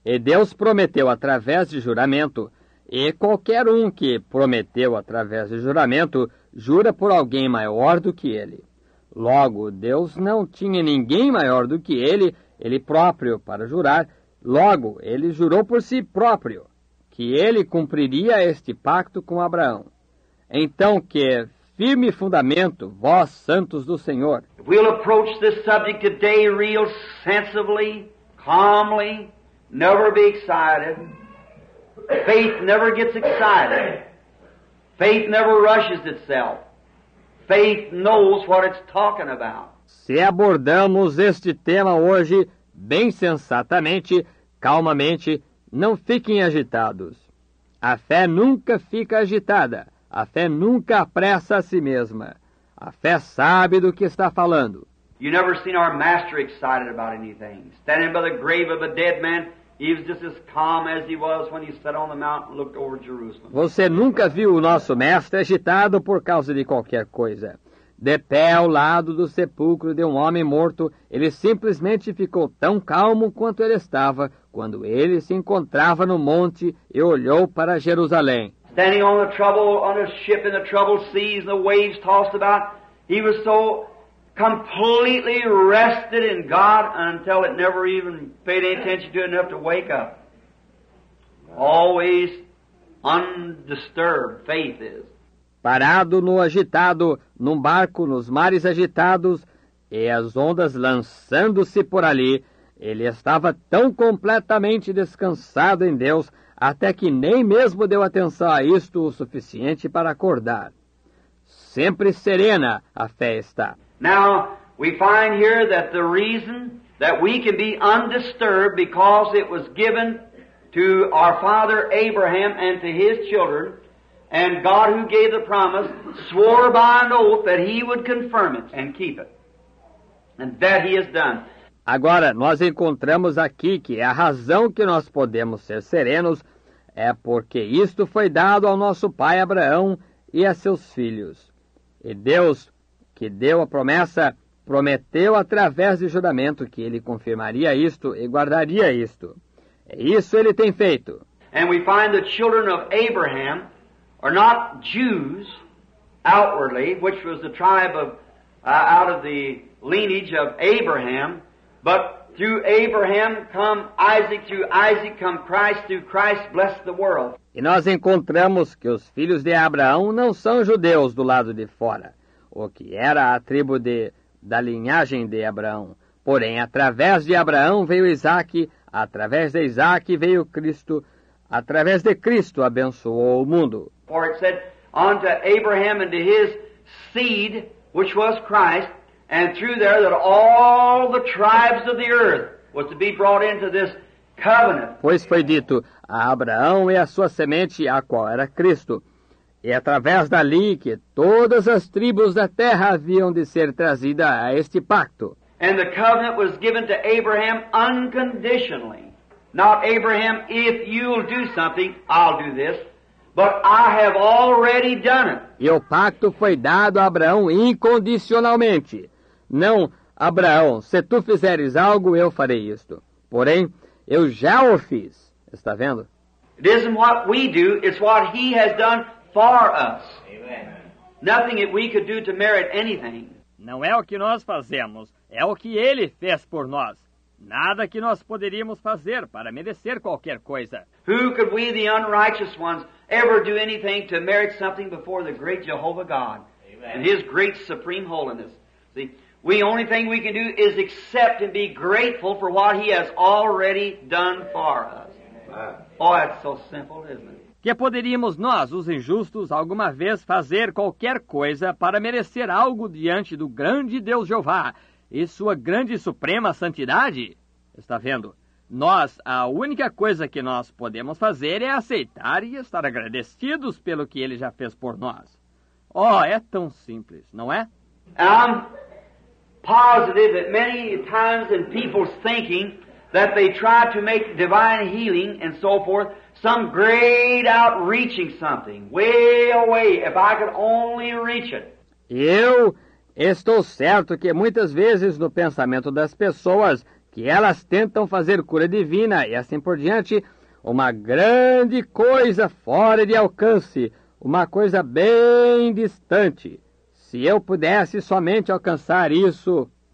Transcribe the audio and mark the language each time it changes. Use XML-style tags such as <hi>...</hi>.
<pt>E Deus prometeu através de juramento, e qualquer um que prometeu através de juramento, jura por alguém maior do que ele. Logo, Deus não tinha ninguém maior do que ele, ele próprio, para jurar. Logo, ele jurou por si próprio, que ele cumpriria este pacto com Abraão. Então, que firme fundamento, vós santos do Senhor.</pt> <en>We'll approach this subject today real sensibly, calmly, never be excited. Faith never gets excited. Faith never rushes itself. Faith knows what it's talking about.</en> <pt>Se abordamos este tema hoje bem sensatamente, calmamente, não fiquem agitados. A fé nunca fica agitada. A fé nunca apressa a si mesma. A fé sabe do que está falando.</pt> <en>You never seen our master excited about anything. Standing by the grave of a dead man, he was just as calm as he was when he sat on the mountain and looked over Jerusalem.</en> <pt>Você nunca viu o nosso mestre agitado por causa de qualquer coisa. De pé ao lado do sepulcro de um homem morto, ele simplesmente ficou tão calmo quanto ele estava quando ele se encontrava no monte e olhou para Jerusalém.</pt> <en>Standing on the trouble on a ship in the troubled seas and the waves tossed about, he was so completely rested in God until it never even paid any attention to enough to wake up. Always undisturbed, faith is.</en> <pt>Parado no agitado, num barco, nos mares agitados, e as ondas lançando-se por ali, ele estava tão completamente descansado em Deus, até que nem mesmo deu atenção a isto o suficiente para acordar. Sempre serena a fé está.</pt> <en>Now, we find here that the reason that we can be undisturbed because it was given to our father Abraham and to his children, and God who gave the promise swore by an oath that he would confirm it and keep it. And that he has done.</en> <pt>Agora, nós encontramos aqui que a razão que nós podemos ser serenos é porque isto foi dado ao nosso pai Abraão e a seus filhos. E Deus, que deu a promessa, prometeu através de juramento que ele confirmaria isto e guardaria isto. E isso ele tem feito.</pt> <en>And we find the children of Abraham are not Jews outwardly, which was the tribe of out of the lineage of Abraham. But through Abraham come Isaac, through Isaac come Christ, through Christ bless the world.</en> <pt>E nós encontramos que os filhos de Abraão não são judeus do lado de fora, o que era a tribo da linhagem de Abraão. Porém, através de Abraão veio Isaac, através de Isaac veio Cristo, através de Cristo abençoou o mundo.</pt> <en>For it said, unto Abraham and to his seed, which was Christ, and through there that all the tribes of the earth was to be brought into this covenant.</en> <pt>Pois foi dito a Abraão e a sua semente, a qual era Cristo, e através dali que todas as tribos da terra haviam de ser trazidas a este pacto.</pt> <en>And the covenant was given to Abraham unconditionally. Not Abraham, if you'll do something, I'll do this. But I have already done it.</en> <pt>E o pacto foi dado a Abraão incondicionalmente. Não, Abraão, se tu fizeres algo, eu farei isto. Porém, eu já o fiz. Está vendo?</pt> <en>It isn't what we do, it's what he has done for us. Amen. Nothing that we could do to merit anything.</en> <pt>Não é o que nós fazemos, é o que ele fez por nós. Nada que nós poderíamos fazer para merecer qualquer coisa.</pt> <en>Who could we, the unrighteous ones, ever do anything to merit something before the great Jehovah God? Amen. And his great supreme holiness? See, the only thing we can do is accept and be grateful for what he has already done for us. Amen. Oh, it's so simple, isn't it?</en> <pt>Que poderíamos nós, os injustos, alguma vez fazer qualquer coisa para merecer algo diante do grande Deus Jeová e sua grande e suprema santidade? Está vendo? Nós, a única coisa que nós podemos fazer é aceitar e estar agradecidos pelo que ele já fez por nós. Oh, é tão simples, não é?</pt> <en>I'm positive that many times in people's thinking that they try to make divine healing and so forth some great outreaching something, way away, if I could only reach it.</en> <pt>Eu estou certo que muitas vezes no pensamento das pessoas que elas tentam fazer cura divina e assim por diante, uma grande coisa fora de alcance, uma coisa bem distante. Se eu pudesse somente alcançar isso.</pt>